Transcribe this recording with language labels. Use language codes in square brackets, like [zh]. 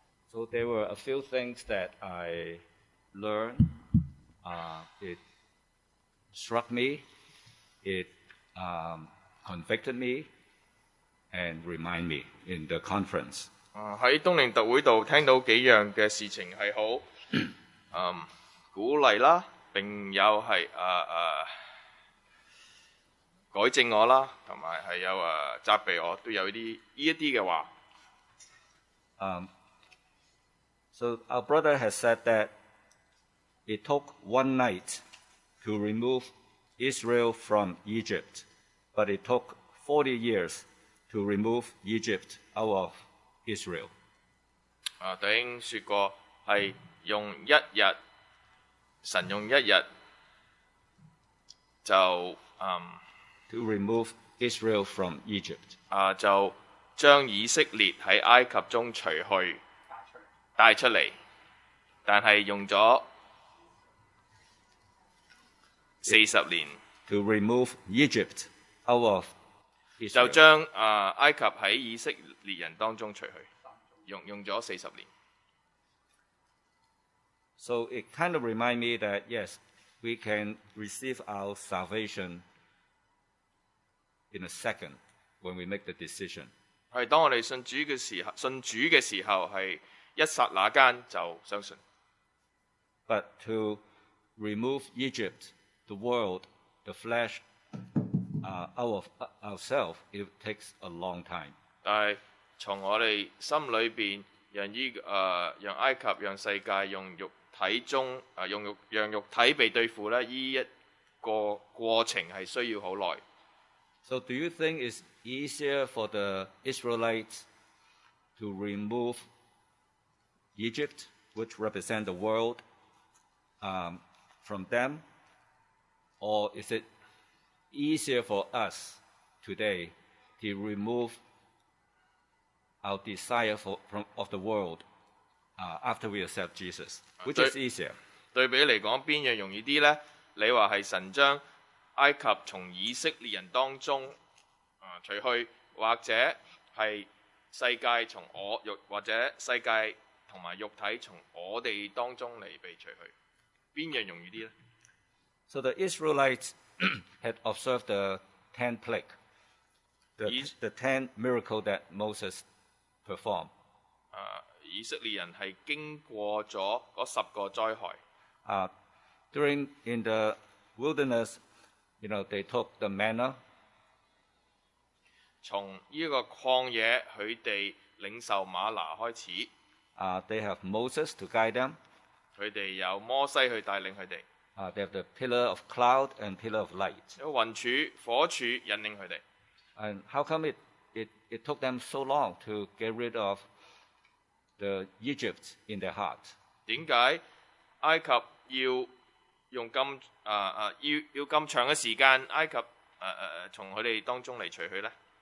[en] So there were a few things that I learned. It struck me. It convicted me and remind me in the conference. [yue] 喺東寧特會度聽到幾樣嘅事情係好。鼓励啦，并有系改正我啦，同埋系有责备我，都有啲呢一啲嘅话。 [en] So our brother has said that it took one night to remove Israel from Egypt, but it took 40 years to remove Egypt out of Israel. [yue] 弟兄说过系。用一日，神用一日就 [en] To remove Israel from Egypt. [yue] 就將以色列喺埃及中除去，帶出嚟，但係用咗四十年。 [en] To remove Egypt out of Israel. [yue] 就將埃及喺以色列人當中除去，用咗四十年。 [en] So it kind of remind me that yes, we can receive our salvation in a second when we make the decision. [yue] 係當我哋信主嘅時候，係一剎那間就相信。 [en] But to remove Egypt, the world, the flesh, out of ourselves, it takes a long time. [yue] 但係從我哋心裏邊，讓埃及，讓世界，用肉。體中讓肉體被對付咧，依一個過程係需要好耐。 [en] So do you think it's easier for the Israelites to remove Egypt, which represent the world, from them, or is it easier for us today to remove our desire of the world? After we accept Jesus, which is easier? [yue] 對比嚟講，邊樣容易啲咧？你話係神將埃及從以色列人當中除去，或者係世界從我肉，或者世界同埋肉體從我哋當中嚟被除去，邊樣容易啲咧 [en] ？So the Israelites had observed the ten plague, the ten miracle that Moses performed. [yue] 以色列人係經過咗嗰十個災害。 [en] During in the wilderness, you know, they took the manna. [yue] 從依個曠野，佢哋領受瑪拿開始。 [en] They have Moses to guide them. [yue] 佢哋有摩西去帶領佢哋。 [en] They have the pillar of cloud and pillar of light. [yue] 有雲柱、火柱引領佢哋。 [en] And how come it took them so long to get rid of? The Egypt in their heart. [yue] 點解埃及要用咁要咁長嘅時間埃及從佢哋當中嚟除去咧